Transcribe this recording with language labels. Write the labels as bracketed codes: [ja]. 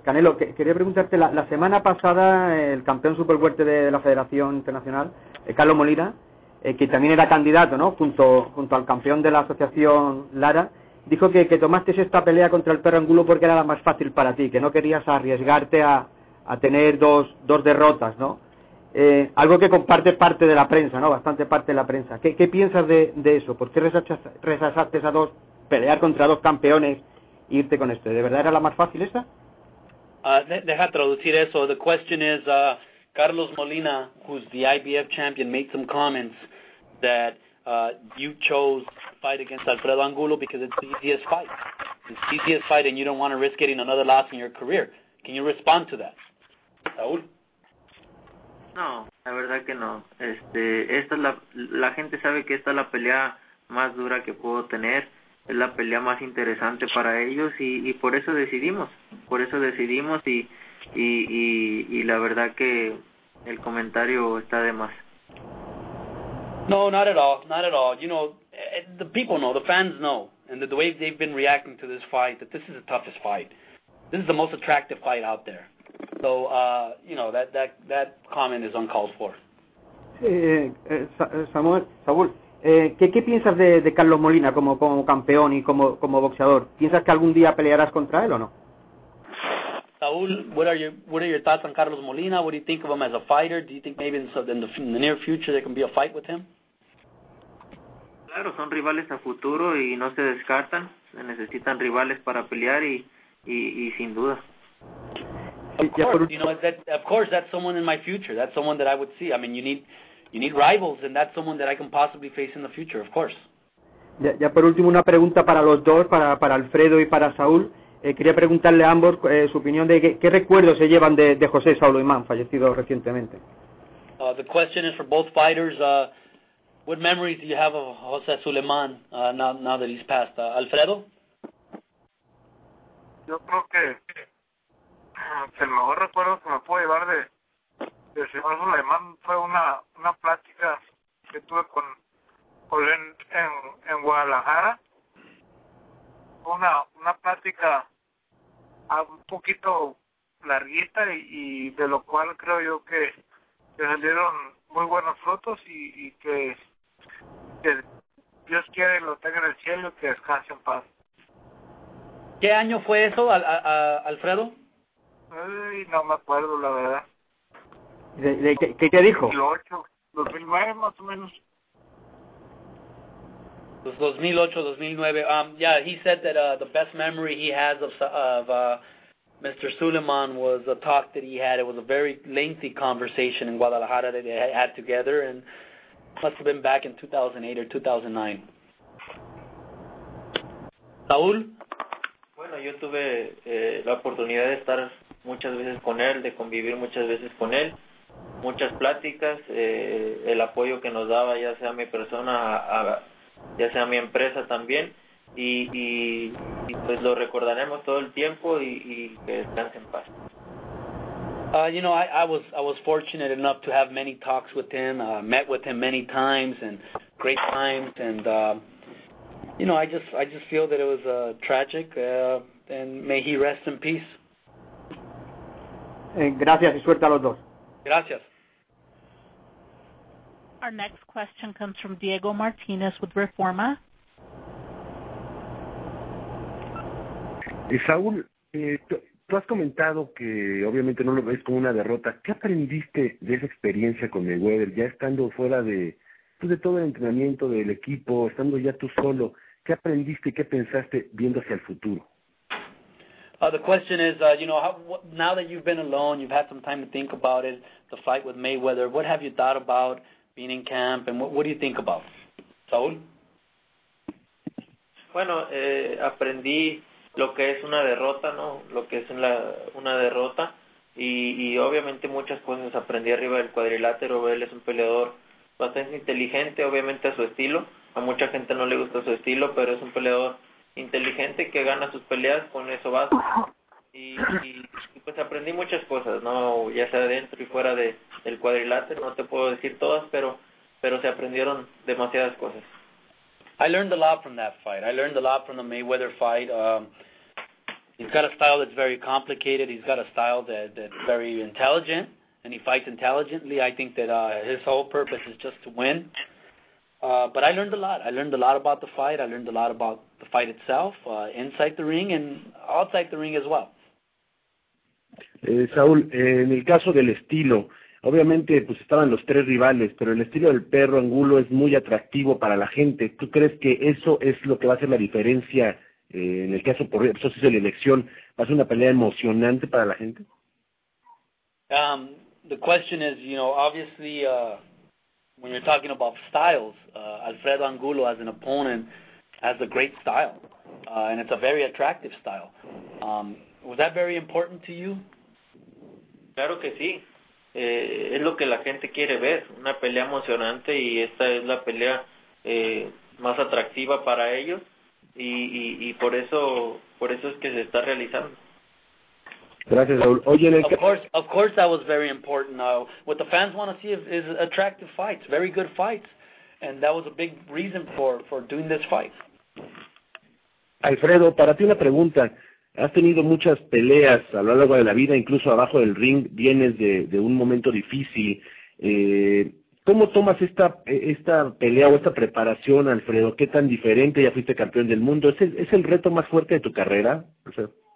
[es] Canelo, quería preguntarte, la semana pasada el campeón superfuerte de la Federación Internacional, Carlos Molina, que también era candidato, ¿no?, junto al campeón de la Asociación Lara, dijo que tomaste esta pelea contra el Perro Angulo porque era la más fácil para ti, que no querías arriesgarte a tener dos derrotas, ¿no? Algo que comparte parte de la prensa, ¿no?, bastante parte de la prensa. ¿Qué piensas de eso? ¿Por qué rechazaste a dos, pelear contra dos campeones, irte con este? ¿De verdad era la más fácil esa? Deja traducir eso. [en] The question is, Carlos Molina, who's the IBF champion, made some comments that you chose to fight against Alfredo Angulo because it's the easiest fight. It's the easiest fight and you don't want to risk getting another loss in your career. Can you respond to that? Saúl? [es] No, la verdad que no. Esta es la gente sabe que esta es la pelea más dura que puedo tener. Es la pelea más interesante para ellos y por eso decidimos. Por eso decidimos y la verdad que el comentario está de más. [en] No, not at all, not at all. You know, the people know, the fans know, and the way they've been reacting to this fight, that this is the toughest fight. This is the most attractive fight out there. So, you know, that comment is uncalled for. [es] Saúl. ¿Qué piensas de Carlos Molina como campeón y como boxeador? ¿Piensas que algún día pelearás contra él o no? [en] Saúl, what are your thoughts on Carlos Molina? What do you think of him as a fighter? Do you think maybe in the near future there can be a fight with him? [es] Claro, son rivales a futuro y no se descartan. Se necesitan rivales para pelear y sin duda. [en] Of course, that's someone in my future. That's someone that I would see. I mean, you need rivals, and that's someone that I can possibly face in the future, of course. [es] Ya por último, una pregunta para los dos, para Alfredo y para Saúl. Quería preguntarle a ambos su opinión de qué recuerdos se llevan de José Saúl Imán, fallecido recientemente. [en] The question is for both fighters. What memories do you have of José Saúl Imán now that he's passed? [es] Alfredo? Yo creo que el mejor recuerdo que me puedo llevar el señor Suleiman fue una plática que tuve con él en Guadalajara. Una plática un poquito larguita y de lo cual creo yo que salieron muy buenos frutos y que Dios quiere lo tenga en el cielo y que descanse en paz. ¿Qué año fue eso, Alfredo? No me acuerdo, la verdad. ¿Qué te dijo? 2008, 2009, más o menos. 2008, 2009. [en] Yeah, he said that the best memory he has of Mr. Suleiman was a talk that he had. It was a very lengthy conversation in Guadalajara that they had together, and must have been back in 2008 or 2009. [es] Saúl? Bueno, yo tuve la oportunidad de estar muchas veces con él, de convivir muchas veces con él. Muchas pláticas, el apoyo que nos daba, ya sea mi persona, ya sea mi empresa también, y pues lo recordaremos todo el tiempo y que descanse en paz. [en] You know, I was fortunate enough to have many talks with him, met with him many times, and great times, and you know, I just feel that it was tragic, and may he rest in peace. [es] Gracias y suerte a los dos. Gracias. [en] Our next question comes from Diego Martinez with Reforma. [es] Saúl, tú has comentado que obviamente no lo ves como una derrota. ¿Qué aprendiste de esa experiencia con Mayweather, ya estando fuera de todo el entrenamiento del equipo, estando ya tú solo? ¿Qué aprendiste, qué pensaste viendo hacia el futuro? [en] The question is, you know, now that you've been alone, you've had some time to think about it, the fight with Mayweather, what have you thought about being in camp, and what do you think about? [es] Saúl? Bueno, aprendí lo que es una derrota, ¿no? Lo que es una derrota, y obviamente muchas cosas aprendí arriba del cuadrilátero. Él es un peleador bastante inteligente, obviamente a su estilo. A mucha gente no le gusta su estilo, pero es un peleador inteligente que gana sus peleas, con eso basta. Y pues aprendí muchas cosas, ¿no? Ya sea dentro y fuera del cuadrilátero, no te puedo decir todas, pero se aprendieron demasiadas cosas. [en] I learned a lot from that fight. I learned a lot from the Mayweather fight. He's got a style that's very complicated. He's got a style that's very intelligent, and he fights intelligently. I think that his whole purpose is just to win. But I learned a lot. I learned a lot about the fight. I learned a lot about the fight itself, inside the ring and outside the ring as well. [es] Saúl, en el caso del estilo, obviamente pues estaban los tres rivales, pero el estilo del perro Angulo es muy atractivo para la gente. ¿Tú crees que eso es lo que va a hacer la diferencia en el caso, por eso se hizo la elección, va a ser una pelea emocionante para la gente? [en] The question is, you know, obviously, when you're talking about styles, Alfredo Angulo as an opponent has a great style, and it's a very attractive style. Was that very important to you? [es] Claro que sí. Es lo que la gente quiere ver, una pelea emocionante, y esta es la pelea más atractiva para ellos, y por eso es que se está realizando. Gracias, Raúl. Oye, [en] of course, that was very important. What the fans want to see is attractive fights, very good fights, and that was a big reason for doing this fight. [es] Alfredo, para ti una pregunta. Has tenido muchas peleas a lo largo de la vida, incluso abajo del ring, vienes de un momento difícil. ¿Cómo tomas esta pelea o esta preparación, Alfredo? ¿Qué tan diferente? Ya fuiste campeón del mundo. ¿Es el reto más fuerte de tu carrera, Alfredo?